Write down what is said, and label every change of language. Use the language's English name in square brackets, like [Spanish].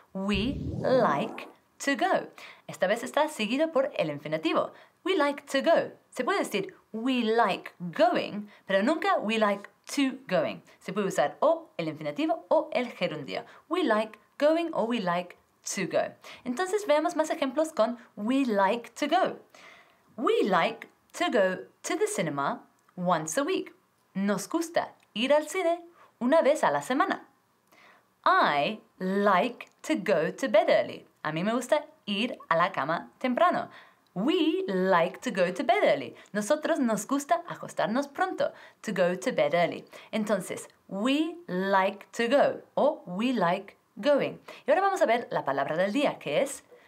[English] We like to go. [Spanish] Esta vez está seguido por el infinitivo. [English] We like to go. [Spanish] Se puede decir [English] we like going, [Spanish] pero nunca [English] we like to going. [Spanish] Se puede usar o el infinitivo o el gerundio. [English] We like going or we like to go. [Spanish] Entonces veamos más ejemplos con [English] we like to go. We like to go to the cinema once a week. [Spanish] Nos gusta ir al cine una vez a la semana. [English] I like to go to bed early. [Spanish] A mí me gusta ir a la cama temprano. [English] We like to go to bed early. [Spanish] Nosotros nos gusta acostarnos pronto. [English] To go to bed early. [Spanish] Entonces, [English] we like to go. [Spanish] O [English] we like going. [Spanish] Y ahora vamos a ver la palabra del día, que es